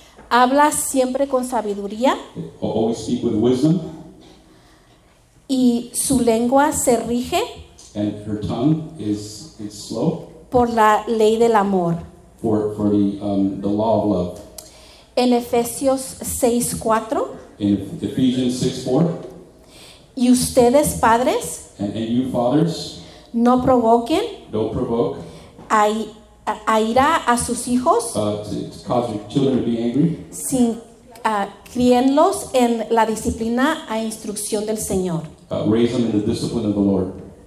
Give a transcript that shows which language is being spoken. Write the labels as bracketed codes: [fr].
[es] Habla siempre con sabiduría. [en] Always speak with wisdom. [es] Y su lengua se rige. [en] And her tongue is slow. [es] Por la ley del amor. [en] For the law of love. [es] En Efesios 6:4. [en] In Ephesians 6:4. [es] Y ustedes, padres. [en] And you, fathers. [es] No provoquen. [en] Don't provoke. [es] A ira a sus hijos. [en] To cause your children to be angry. [es] Sin críenlos en la disciplina a instrucción del Señor. [en] Raise them in the discipline of the Lord.